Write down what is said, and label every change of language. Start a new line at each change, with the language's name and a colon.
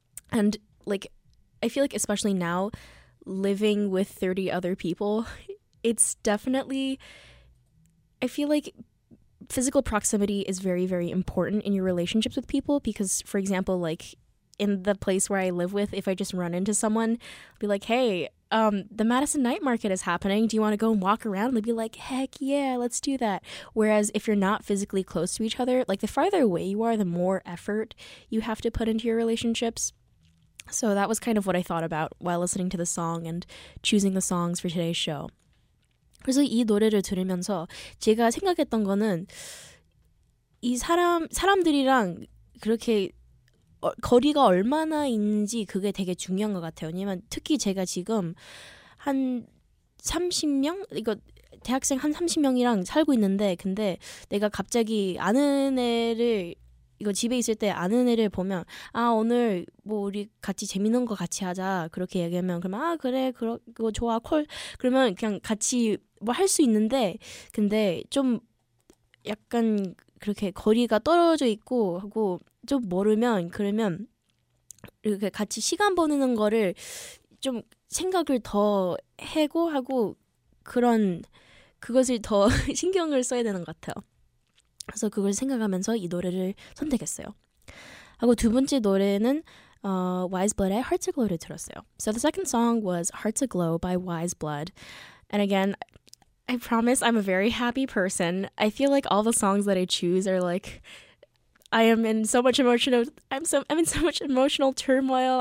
English: And, like, I feel like especially now, living with 30 other people, it's definitely, I feel like physical proximity is very, very important in your relationships with people because, for example, like, in the place where I live with, if I just run into someone, I'll be like, hey, the Madison Night Market is happening. Do you want to go and walk around? And they'd be like, heck yeah, let's do that. Whereas if you're not physically close to each other, like, the farther away you are, the more effort you have to put into your relationships. So that was kind of what I thought about while listening to the song and choosing the songs for today's show.
Korean: 그래서 이 노래를 들으면서 제가 생각했던 거는 이 사람들이랑 그렇게 거리가 얼마나 있는지 그게 되게 중요한 것 같아요. 왜냐면 특히 제가 지금 한 30명? 이거 대학생 한 30명이랑 살고 있는데 근데 내가 갑자기 아는 애를 이거 집에 있을 때 아는 애를 보면 아 오늘 뭐 우리 같이 재밌는 거 같이 하자 그렇게 얘기하면 그럼 아 그래 그거 좋아 콜 그러면 그냥 같이 뭐 할 수 있는데 근데 좀 약간 그렇게 거리가 떨어져 있고 하고 좀 모르면 그러면 이렇게 같이 시간 보내는 거를 좀 생각을 더 하고 그런 그것을 더 신경을 써야 되는 것 같아요. 그래서 그걸 생각하면서 이 노래를 선택했어요. 하고 두 번째 노래는 Wise Blood의 Hearts Aglow를 들었어요.
English: So the second song was Hearts Aglow by Wise Blood. And again, I promise I'm a very happy person. I feel like all the songs that I choose are like, I am in so much emotional, I'm in so much emotional turmoil.